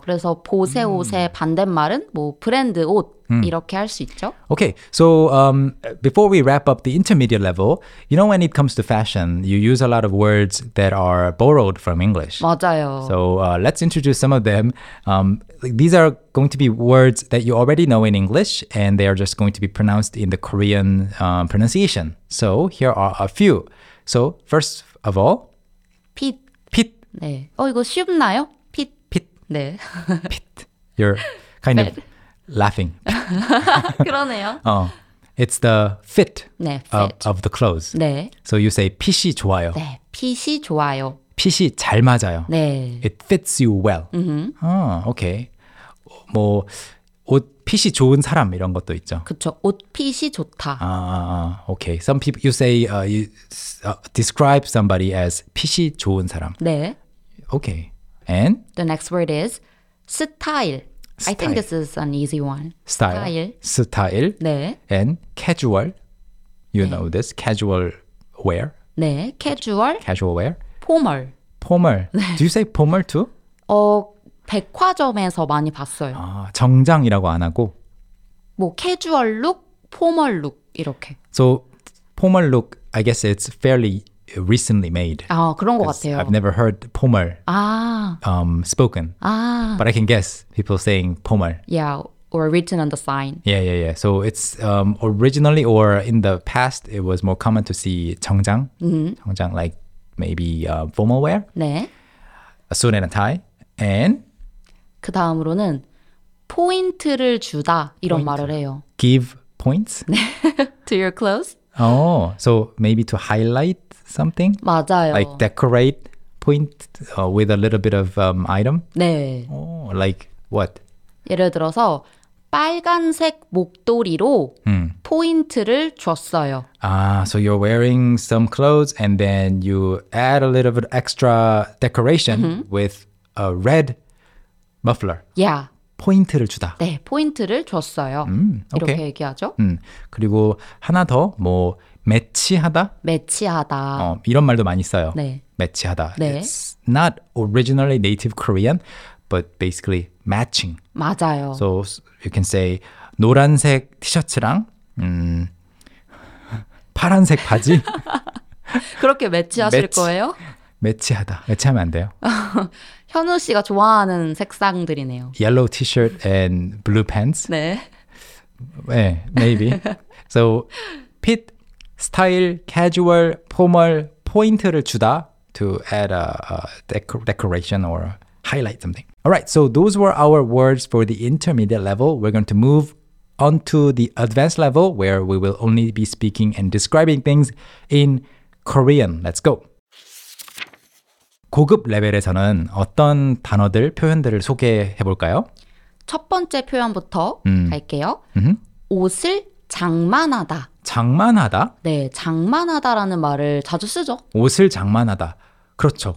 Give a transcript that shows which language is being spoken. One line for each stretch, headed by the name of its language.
Korean: 그래서 보세 옷의 반대말은 뭐 브랜드 옷 이렇게 할 수 있죠.
English: Okay, so before we wrap up the intermediate level, you know when it comes to fashion, you use a lot of words that are borrowed from English.
Korean: 맞아요.
English: So let's introduce some of them. These are going to be words that you already know in English, and they are just going to be pronounced in the Korean pronunciation. So here are a few. So first of all,
Korean: 핏. 핏. 네. 이거 쉽나요? 핏. 핏. 네.
English: 핏. You're kind of laughing.
Korean: 그러네요.
English: It's the fit,
Korean: 네,
English: of the clothes.
Korean: 네.
English: So you say
Korean: 핏이 좋아요. 네. 핏이 좋아요. 핏이 잘 맞아요. 네.
English: It fits you well. Mm-hmm. Okay.
Korean: 뭐 옷 핏이 좋은 사람 이런 것도 있죠. 그렇죠. 옷 핏이 좋다.
English: 아, okay. Some people you say describe somebody as
Korean: 핏이 좋은 사람. 네.
English: Okay. And the next word is 스타일. I think this is an easy one.
Korean: 스타일. 스타일. 스타일. 네.
English: And casual. You 네. know this casual wear? 네. Casual. Casual wear.
Korean: 포멀. 포멀. 네.
English: Do you say 포멀 too?
Korean: 백화점에서 많이 봤어요. 아, 정장이라고 안 하고? 뭐 캐주얼 룩, 포멀 룩 이렇게.
English: So, 포멀 룩, I guess it's fairly recently made.
Korean: 아, 그런 것 같아요.
English: I've never heard 포멀 spoken.
Korean: 아.
English: But I can guess people saying 포멀. Yeah, or written on the sign. Yeah, yeah, yeah. So it's originally or in the past, it was more common to see 정장. Mm-hmm. 정장, like maybe formal wear.
Korean: 네.
English: A suit and a tie. And
Korean: 그 다음으로는 포인트를 주다 이런 말을 해요.
English: Give points? to your clothes? Oh, so maybe to highlight something?
Korean: 맞아요.
English: Like decorate point with a little bit of item?
Korean: 네.
English: Oh, like what?
Korean: 예를 들어서 빨간색 목도리로 포인트를 줬어요.
English: Ah, so you're wearing some clothes and then you add a little bit extra decoration with a red muffler. Yeah.
Korean: 포인트를 주다. 네, 포인트를 줬어요. Okay. 이렇게 얘기하죠. 그리고 하나 더, 뭐 매치하다? 매치하다. 이런 말도 많이 써요. 네. 매치하다. 네.
English: It's not originally native Korean, but basically matching.
Korean: 맞아요.
English: So you can say
Korean: 노란색 티셔츠랑 파란색 바지. 그렇게 매치하실 거예요? 매치하다. 매치하면 안 돼요. 현우 씨가 좋아하는 색상들이네요.
English: Yellow t-shirt and blue pants?
Korean: 네.
English: 네, maybe. So, 핏, 스타일, 캐주얼, 포멀, 포인트를 주다 to add a decoration or highlight something. All right, so those were our words for the intermediate level. We're going to move on to the advanced level where we will only be speaking and describing things in Korean. Let's go.
Korean: 고급 레벨에서는 어떤 단어들, 표현들을 소개해 볼까요? 첫 번째 표현부터 갈게요. 옷을 장만하다. 장만하다? 네, 장만하다라는 말을 자주 쓰죠. 옷을 장만하다. 그렇죠.